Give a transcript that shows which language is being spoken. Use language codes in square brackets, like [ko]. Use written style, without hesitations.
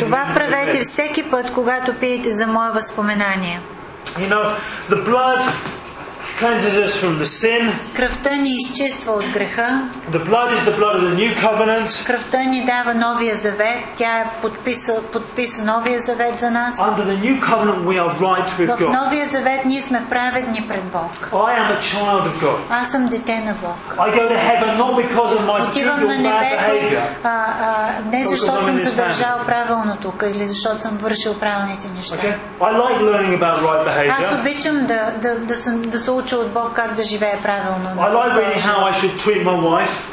[bg] Това правете всеки път, когато пиете за мое възпоменание. [en] You know the blood cleanses us from the sin. [bg] Кръвта ни изчиства от греха. [en] The blood is the blood of the new covenant. [bg] Кръвта ни дава новия завет. Тя е подписа новия завет за нас. [en] Under the new covenant we are right with God. [bg] В новия завет ние сме праведни пред Бог. [en] I am a child of God. [bg] Аз съм дете на Бог. [en] I go to heaven not because of my good behavior. [bg] Отивам на небето не защото съм задържал правилното или защото съм вършил правилните неща. [en] Okay. I like learning about right behavior. [bg] Аз обичам да се уча от Бог как да живее правилно. [en] I like reading how I should treat my wife.